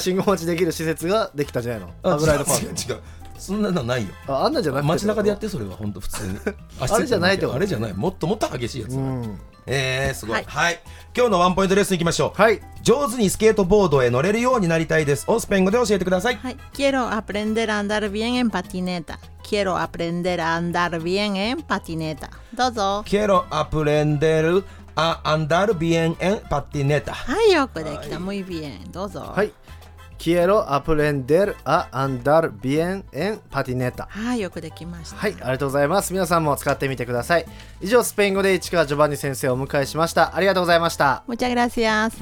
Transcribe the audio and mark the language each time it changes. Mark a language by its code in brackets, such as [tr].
[ja] 信号待ちできる施設ができたじゃないの。あ、違う違う、そんなのないよ。あ、あんなじゃなくて、街中でやって、それは本当普通にあれじゃないってこと、あれじゃない、もっともっと激しいやつ。すごい、はい、はい、今日のワンポイントレッスンいきましょう。はい、上手にスケートボードへ乗れるようになりたいです。オスペン語で教えてください。 [es] はい、quiero aprender a andar bien en patineta. Quiero aprender a andar bien en patineta. [ja] どうぞ。 [es] quiero aprender a andar bien en patineta. [ja] はい、よくできた、はい、 [es] muy bien。 [ja] どうぞ。はい、 [es] quiero aprender a andar bien en patineta。 [ja] はい、よくできました。はい、ありがとうございます。皆さんも使ってみてください。以上、スペイン語で市川ジョバンニ先生をお迎えしました。ありがとうございました。 [es] むちゃぐらしやす。